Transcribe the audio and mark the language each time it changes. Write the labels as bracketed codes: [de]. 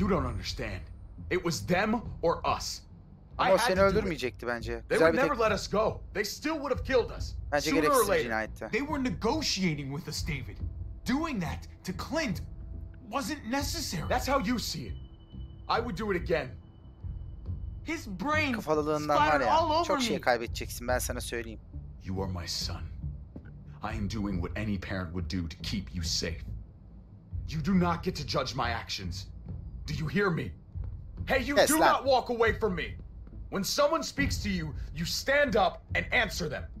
[en] You don't understand. It was them or us. [tr] Ama o seni öldürmeyecekti bence. [en] They would never let us go. They still would have killed us. [tr] Bence gereksiz bir cinayetti. [en] They were negotiating with us, David. Doing that to Clint wasn't necessary. That's how you see it. I would do it again. His brain [tr] kafalılığından var ya, çok şey kaybedeceksin, ben sana söyleyeyim. [en] You are my son. I am doing what any parent would do to keep you safe. You do not get to judge my actions. Do you hear me? Hey, you yes, do not walk away from me. When someone speaks to you, you stand up and answer them.